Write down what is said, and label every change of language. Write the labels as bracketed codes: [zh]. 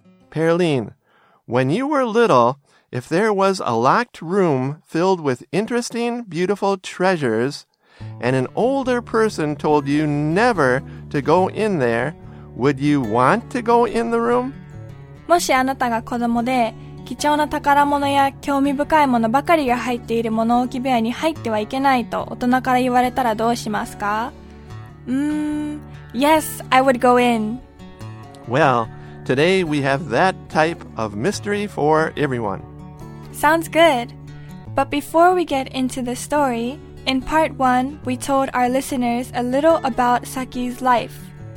[en] Pearline, when you were little, if there was a locked room filled with interesting, beautiful treasures, and an older person told you never to go in there, would you want to go in the room? [ja] もしあなたが子供で、貴重な宝物や興味深いものばかりが入っている物置部屋に入ってはいけないと大人から言われたらどうしますか? [en] Yes, I would go in. Well, today we have that type of mystery for everyone. Sounds good. But before we get into the story, in part one, we told our listeners a little about Saki's life.